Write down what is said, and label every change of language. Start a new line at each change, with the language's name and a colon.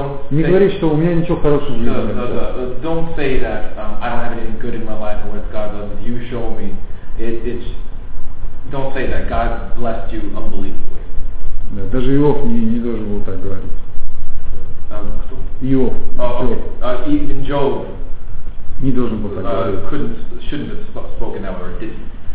Russian: Не говори, что у меня ничего хорошего в жизни.
English: Don't say that I don't have anything good in my life, and what God does, if you show me. It's. Don't say that God blessed you unbelievably.
Russian: Да, даже Иов не должен был так говорить. Кто? Иов.
English: Okay. Even Job.
Russian: Не должен был так говорить.
English: Shouldn't have spoken that way, or didn't.